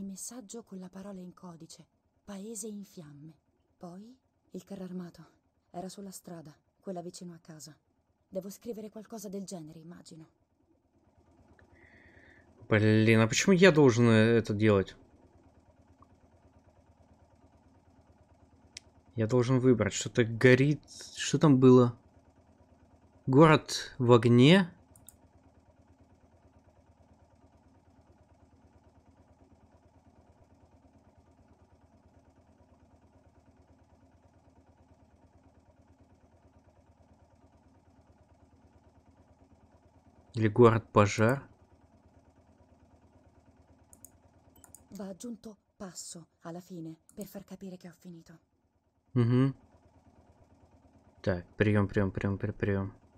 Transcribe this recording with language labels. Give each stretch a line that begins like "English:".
Italian: Messaggio con la parola in codice. Paese in fiamme. Poi il carro armato era sulla strada, quella vicino a casa. Devo scrivere qualcosa del genere, immagino.
Russian: Блин, а почему я должен это делать? Я должен выбрать. Что-то горит. Что там было? Город в огне? Или город пожар?
Italian: Va aggiunto passo alla fine per far capire che ho finito.
Russian: Так, прием, прием, прием, прием.